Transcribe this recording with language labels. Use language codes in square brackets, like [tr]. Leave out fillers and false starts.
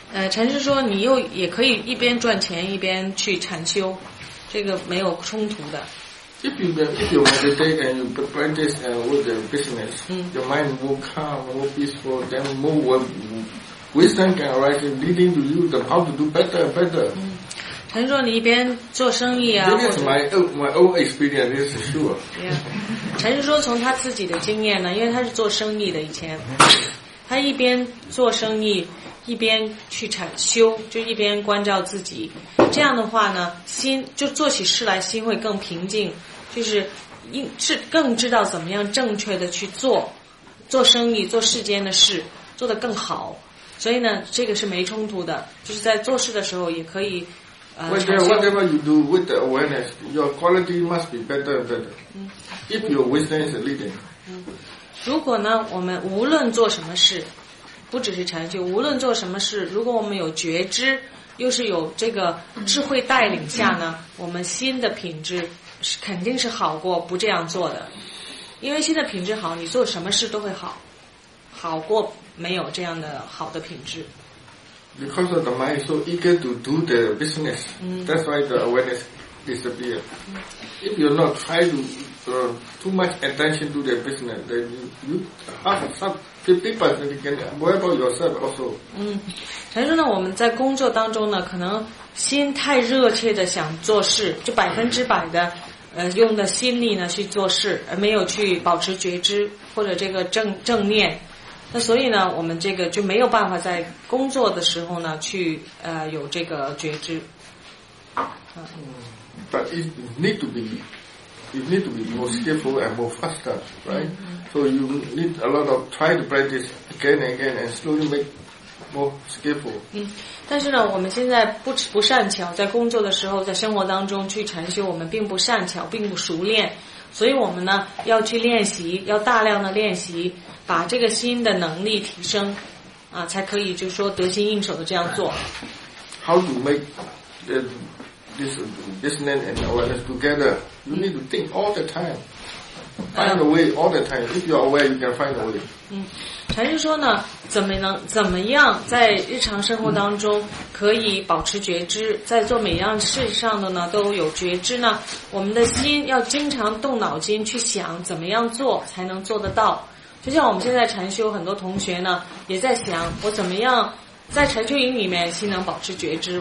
[zh] 禅师说你又也可以一边赚钱一边去禅修，这个没有冲突的。 [en] If you meditate and you practice with the business, your mind will calm, will peaceful, then more wisdom can arise, leading to you the how to do better and better. Mm. [zh] 陈说你一边做生意啊 [en] This is my old experience, this is sure. [zh] 陈说从他自己的经验呢，因为他是做生意的以前，他一边做生意，一边去禅修，就一边关照自己。这样的话呢，心就做起事来心会更平静，就是更知道怎么样正确的去做生意，做世间的事，做得更好。所以呢，这个是没冲突的，就是在做事的时候也可以 [en] Whatever you do with the awareness, your quality must be better and better. If your wisdom is leading. [zh] 如果呢，我们无论做什么事，不只是禅修，无论做什么事，如果我们有觉知，又是有这个智慧带领下呢，我们心的品质是肯定是好过不这样做的。因为心的品质好，你做什么事都会好过没有这样的好的品质。 [en] Because of the mind is so eager to do the business, that's why the awareness disappears. If you're not trying to draw too much attention to the business, then you have some 50% you can worry about yourself also. [zh] 陈说呢，我们在工作当中呢，可能心太热切的想做事，就百分之百的用的心力呢去做事，而没有去保持觉知或者这个正念。那所以呢，我们这个就没有办法在工作的时候呢，去有这个觉知。 [en] But it need to be more skillful and more faster, right? So you need a lot of try to practice again and again and slowly make more skillful. [zh] 但是呢，我们现在不善巧，在工作的时候，在生活当中去禅修，我们并不善巧，并不熟练。所以我们呢要去练习，要大量的练习，把这个心的能力提升啊，才可以就是说得心应手的这样做。 [en] How to make this business and awareness together? You need to think all the time. Find a way all the time. If you're aware, you can find a way. [zh] 禅师说呢，怎么样在日常生活当中可以保持觉知，在做每样事上的呢都有觉知呢？我们的心要经常动脑筋去想怎么样做才能做得到。就像我们现在禅修，很多同学呢也在想，我怎么样在禅修营里面心能保持觉知？